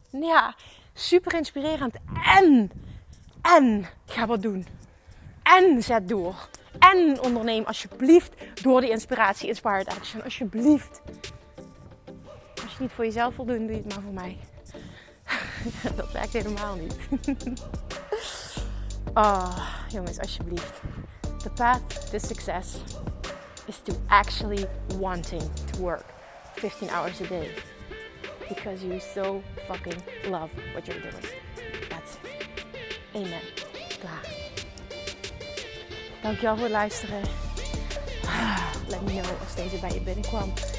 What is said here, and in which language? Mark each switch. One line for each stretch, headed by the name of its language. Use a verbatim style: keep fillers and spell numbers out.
Dutch: Ja, super inspirerend. En, en ga wat doen. En zet door. En onderneem alsjeblieft door die inspiratie, Inspired Action. Alsjeblieft. Als je het niet voor jezelf wil doen, doe je het maar voor mij. Dat werkt helemaal niet. Oh, jongens, alsjeblieft.
English: The path to success is to actually wanting to work fifteen hours a day. Because you so fucking love what you're doing. That's it. Amen.
Dutch: Klaar. Dankjewel voor het luisteren.
English: Let me know
Dutch: als deze bij je binnenkwam.